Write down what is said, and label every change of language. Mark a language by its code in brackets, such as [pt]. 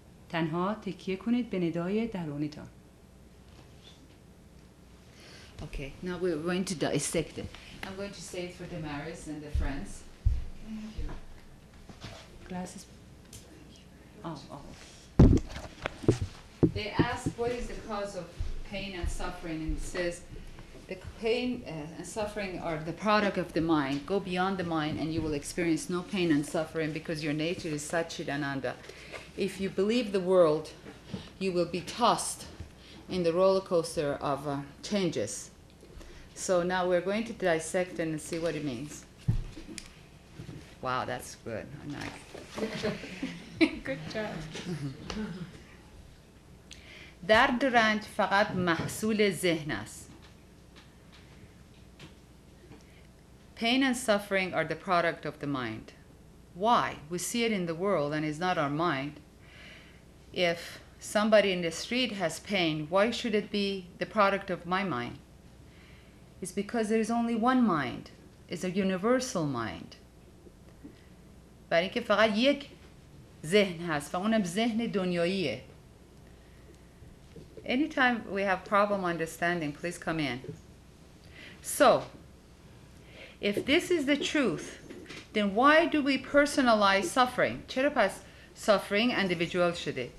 [fa] تنها تکیه کنید به ندای درونیتان. [en] Okay, now we're going to dissect it. I'm going to say it for the Maris and the friends. Can I have your glasses? They asked what is the cause of pain and suffering, and it says the pain and suffering are the product of the mind. Go beyond the mind and you will experience no pain and suffering because your nature is Satchidananda. If you believe the world, you will be tossed in the roller coaster of changes. So now we're going to dissect and see what it means. Wow, that's good. Nice. Good job. [fa] درد و رنج فقط محصول ذهن است. [en] Pain and suffering are the product of the mind. Why? We see it in the world and it's not our mind. If somebody in the street has pain, why should it be the product of my mind? It's because there is only one mind. It's a universal mind. [fa] برای اینکه فقط یک ذهن هست و اونم ذهن دنیاییه. [en] Anytime we have problem understanding, please come in. So, if this is the truth, then why do we personalize suffering? [fa] چرا پس [en] suffering individual [fa] شده?